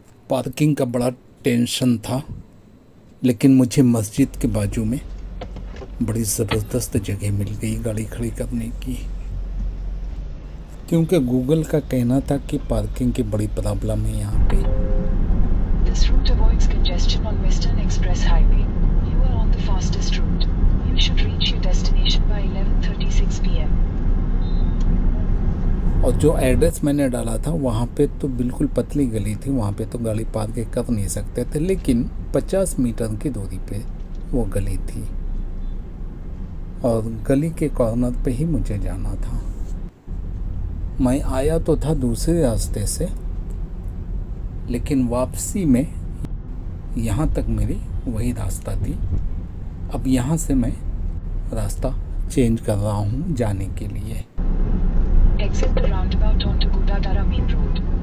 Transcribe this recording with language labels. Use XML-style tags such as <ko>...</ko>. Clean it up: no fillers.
<hi>Parking का बड़ा tension था, लेकिन मुझे मस्जिद के बाजू में बड़ी ज़बरदस्त जगह मिल गई गाड़ी खड़ी करने की, क्योंकि गूगल का कहना था कि पार्किंग की बड़ी प्रॉब्लम है यहाँ पे।</hi> <en>This route avoids congestion on Western Express Highway. You are on the fastest route. You should reach your destination by 11:36 PM.</en> <hi>और जो एड्रेस मैंने डाला था वहाँ पे तो बिल्कुल पतली गली थी, वहाँ पे तो गाड़ी पार्क कर नहीं सकते थे, लेकिन 50 मीटर की दूरी पे वो गली थी और गली के कॉर्नर पे ही मुझे जाना था। मैं आया तो था दूसरे रास्ते से, लेकिन वापसी में यहाँ तक मेरी वही रास्ता थी। अब यहाँ से मैं रास्ता चेंज कर रहा हूँ जाने के लिए।</hi> <en>exit the roundabout onto Gudadara Main Road.</en>